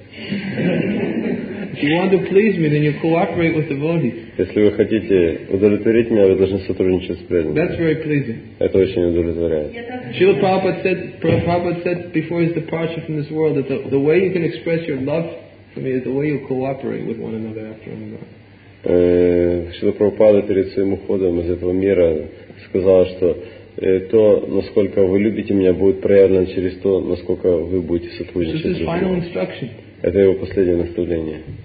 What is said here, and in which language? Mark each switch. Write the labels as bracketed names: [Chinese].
[English] If you want to please me, then you cooperate with devotees. [Russian] Если вы хотите удовлетворить меня, вы должны сотрудничать с преданными. [English] That's very pleasing. [Russian] Это очень удовлетворяет. [English] Srila Prabhupada said before his departure from this world that the way you can express your love for me is the way you cooperate with one another after I'm gone. [Russian] Srila Prabhupada перед своим уходом из этого мира сказал, что то, насколько вы любите меня, будет проявлено через то, насколько вы будете сотрудничать с другими. [English] This is final instruction. [Russian] Это его последнее наставление.